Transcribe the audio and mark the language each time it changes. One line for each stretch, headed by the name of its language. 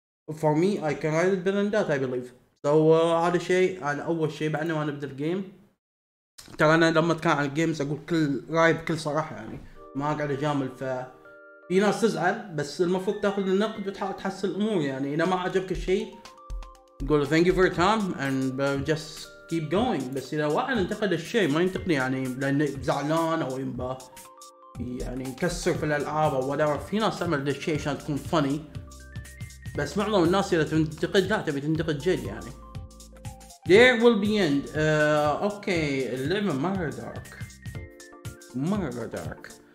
English: for me I can write it better than that I believe so
Arabic: هذا شيء على أول شيء بعدنا ما نبدأ الجيم ترى أنا لما أتكلم عن الجيمز أقول كل رأي بكل صراحة يعني ما أقعد أجامل ففي ناس تزعل بس المفروض تأخذ النقد وتحاول تحسن الأمور يعني إذا ما عجبك الشيء قول
English: thank you for your time and just keep going.
Arabic: بس إذا واحد انتقد الشيء ما ينتقدني يعني لأن زعلان أو ينبا يعني يكسر في الألعاب أو
English: whatever.
Arabic: في ناس تعمل ده الشيء عشان تكون funny, بس معظم الناس إذا تنتقد لا تبي تنتقد جد يعني.
English: There will be end. Okay,
Arabic: اللعبة مرة
English: dark.
Arabic: مرة
English: dark.